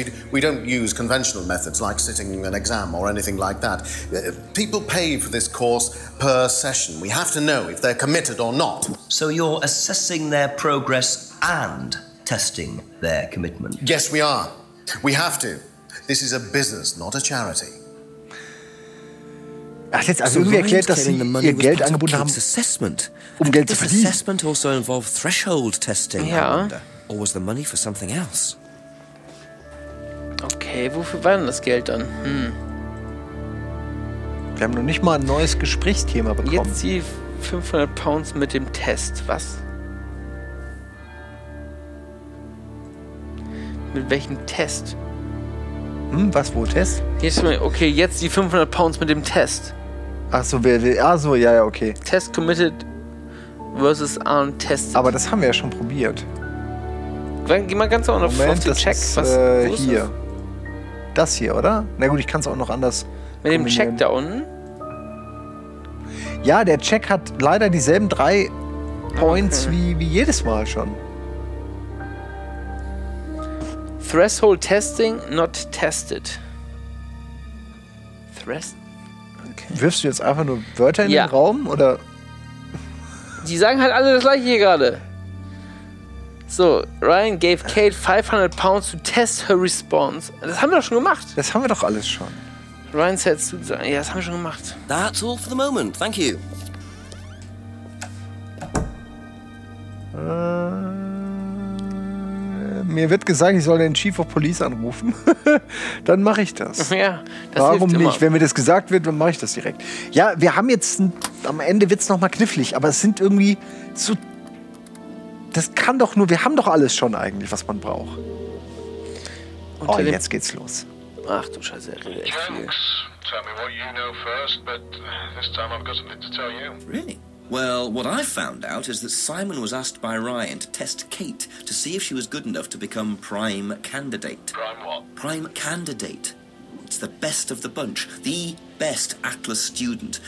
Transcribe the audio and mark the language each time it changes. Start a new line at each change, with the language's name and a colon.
English: We don't use conventional methods like sitting an exam or anything like that. People pay for this course per session. We have to know if they're committed or not. So you're assessing their progress and testing their commitment? Yes, we are. We have to. This is a business, not a charity.
German: Ach, jetzt also irgendwie erklärt, dass sie ihr Geld angeboten haben,
English: assessment.
German: Um Geld zu verdienen.
English: Assessment also involved threshold testing,
German: ja.
English: Or was the money for something else?
German: Okay, wofür war denn das Geld dann? Wir haben noch nicht mal ein neues Gesprächsthema bekommen. Jetzt die £500 mit dem Test, was? Mit welchem Test? Was, wo Test? Okay, jetzt die £500 mit dem Test. Ach so, okay.
English: Test committed versus untested.
German: Aber das haben wir ja schon probiert. Geh mal ganz auf den Check. Ist, was, hier. Das hier, oder? Na gut, ich kann es auch noch anders. Mit dem Check da unten? Ja, der Check hat leider dieselben 3 Points wie jedes Mal schon.
English: Threshold testing, not tested.
German: Wirfst du jetzt einfach nur Wörter in den Raum, oder? Die sagen halt alle das Gleiche hier gerade.
English: So, Ryan gave Kate £500 to test her response.
German: Das haben wir doch schon gemacht. Das haben wir doch alles schon.
English: Ryan said,
German: ja, das haben wir schon gemacht.
English: That's all for the moment, thank you.
German: Mir wird gesagt, ich soll den Chief of Police anrufen. Dann mache ich das. Ja, das warum hilft nicht? Immer. Wenn mir das gesagt wird, dann mache ich das direkt. Ja, wir haben jetzt, am Ende wird es nochmal knifflig, aber es sind irgendwie zu. Das kann doch nur, wir haben doch alles schon eigentlich, was man braucht. Und oh, jetzt geht's los. Ach du Scheiße, er redet echt viel.
English: Thanks. Tell me what you know first, but this time I've got something to tell you. Really? Well, what I found out is that Simon was asked by Ryan to test Kate to see if she was good enough to become prime candidate. Prime what? Prime candidate. It's the best of the bunch. The best Atlas student.